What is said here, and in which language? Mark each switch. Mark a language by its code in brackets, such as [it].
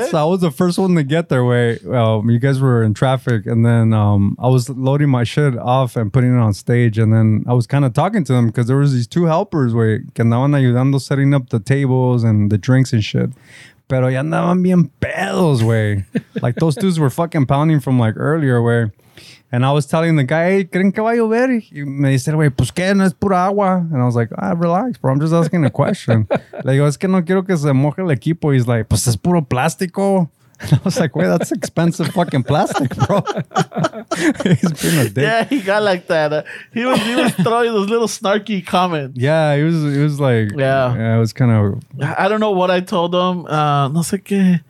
[en] So I was the first one to get there, you guys were in traffic, and then I was loading my shit off and putting it on stage, and then I was kind of talking to them because there was these two helpers, wey, [es] que andaban ayudando [en] setting up the tables and the drinks and shit. [es] Pero ya andaban bien pedos, güey. [en] Like, those dudes were fucking pounding from, like, earlier, güey. And I was telling the guy, hey, [es] ¿creen que va a llover? Y me dice, güey, pues, ¿qué? No es pura agua. [en] And I was like, ah, relax, bro. I'm just asking a question. [es] Le digo, es que no quiero que se moje el equipo. [en] He's like, [es] pues, es puro plástico. [en] And I was like, wait, that's expensive fucking plastic, bro. He's been a dick. Yeah, he got like that. He was throwing those little snarky comments. Yeah, he was like, yeah, it was kind of... I don't know what I told him. [es] No sé qué.